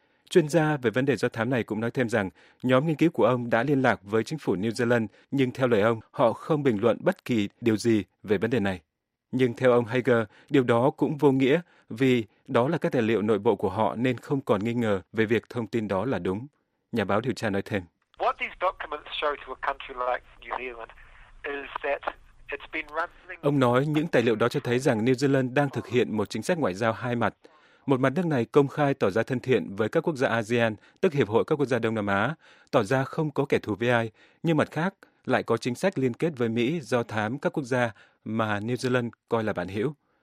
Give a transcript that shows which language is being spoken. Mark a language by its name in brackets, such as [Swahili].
[Vietnamese] Chuyên gia về vấn đề do thám này cũng nói thêm rằng, nhóm nghiên cứu của ông đã liên lạc với chính phủ New Zealand, nhưng theo lời ông, họ không bình luận bất kỳ điều gì về vấn đề này. Nhưng theo ông Hager, điều đó cũng vô nghĩa vì đó là các tài liệu nội bộ của họ nên không còn nghi ngờ về việc thông tin đó là đúng. Nhà báo điều tra nói thêm. [English] What these documents show to a country like New Zealand is that [Vietnamese] ông nói những tài liệu đó cho thấy rằng New Zealand đang thực hiện một chính sách ngoại giao hai mặt. Một mặt nước này công khai tỏ ra thân thiện với các quốc gia ASEAN, tức Hiệp hội các quốc gia Đông Nam Á, tỏ ra không có kẻ thù với ai, nhưng mặt khác lại có chính sách liên kết với Mỹ do thám các quốc gia mà New Zealand coi là bạn hữu.